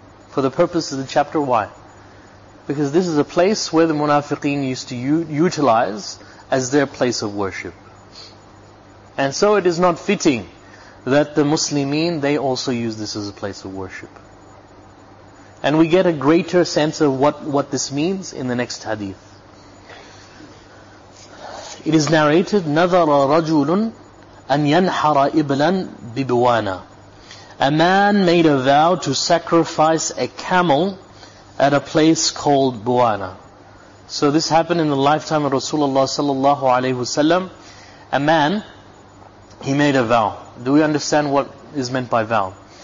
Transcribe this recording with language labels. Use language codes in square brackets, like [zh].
[en] For the purpose of the chapter, why? Because this is a place where the munafiqeen used to utilize as their place of worship. And so it is not fitting that the muslimin, they also use this as a place of worship. And we get a greater sense of what this means in the next hadith. It is narrated, [ar] نَذَرَ رَجُلٌ أَنْ يَنْحَرَ إِبْلًا بِبُوَانَا. [en] A man made a vow to sacrifice a camel at a place called Buwana. So this happened in the lifetime of Rasulullah sallallahu alayhi wasallam. A man, he made a vow. Do we understand what is meant by vow?